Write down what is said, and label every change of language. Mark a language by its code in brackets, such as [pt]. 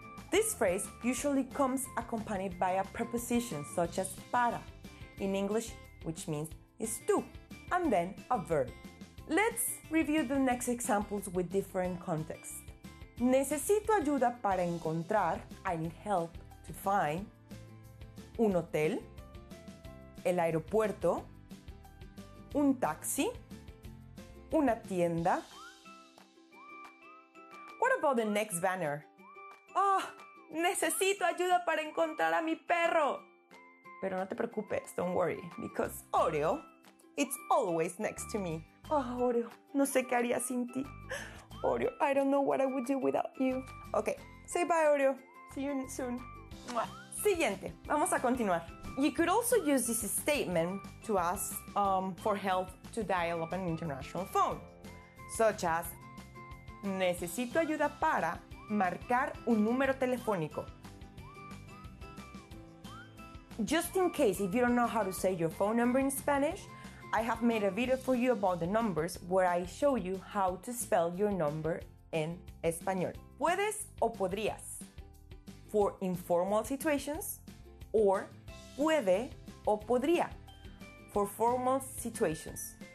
[en] This phrase usually comes accompanied by a preposition such as para, in English, which means is to, and then a verb. Let's review the next examples with different contexts. [es] Necesito ayuda para encontrar, [en] I need help to find, [es] un hotel, el aeropuerto, un taxi, una tienda. [en] What about the next banner? [es] Oh, necesito ayuda para encontrar a mi perro. Pero no te preocupes, [en] don't worry, because Oreo, it's always next to me. [es] Oh, Oreo, no sé qué haría sin ti. [en] Oreo, I don't know what I would do without you. Okay, say bye, Oreo. See you soon. Mwah. [es] Siguiente, vamos a continuar. [en] You could also use this statement to ask for help to dial up an international phone, such as, [es] necesito ayuda para marcar un número telefónico. [en] Just in case if you don't know how to say your phone number in Spanish, I have made a video for you about the numbers where I show you how to spell your number in español. [es] Puedes o podrías [en] for informal situations, or [es] puede o podría [en] for formal situations.